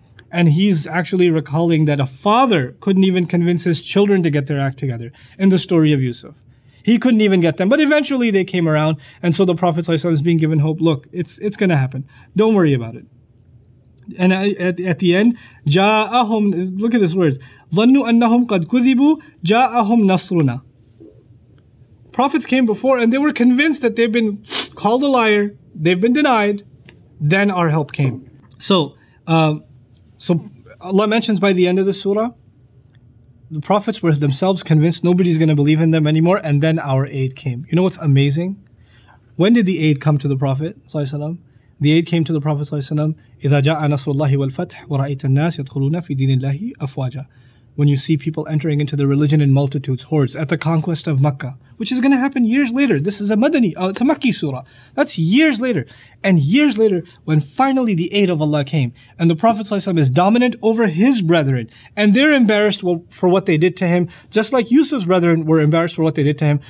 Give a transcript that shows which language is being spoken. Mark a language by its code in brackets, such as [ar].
[en] And he's actually recalling that a father couldn't even convince his children to get their act together in the story of Yusuf. He couldn't even get them. But eventually they came around. And so the Prophet ﷺ is being given hope. Look, it's going to happen. Don't worry about it. And at the end, جاءهم, look at this words. [ar] ظنوا أنهم قد كذبوا جاءهم نصرنا. [en] Prophets came before and they were convinced that they've been called a liar. They've been denied. Then our help came. So Allah mentions by the end of the surah, the prophets were themselves convinced nobody's going to believe in them anymore. And then our aid came. You know what's amazing? When did the aid come to the Prophet ﷺ? The aid came to the Prophet ﷺ, [ar] إِذَا جَاءَ نَصْرُ اللَّهِ وَالْفَتْحِ وَرَأَيْتَ النَّاسِ يَدْخُلُونَ فِي دِينِ اللَّهِ أَفْوَاجًا. [en] When you see people entering into the religion in multitudes, hordes, at the conquest of Mecca, which is going to happen years later. This is a Madani, it's a Makki surah. That's years later. And years later, when finally the aid of Allah came, and the Prophet ﷺ is dominant over his brethren, and they're embarrassed for what they did to him, just like Yusuf's brethren were embarrassed for what they did to him.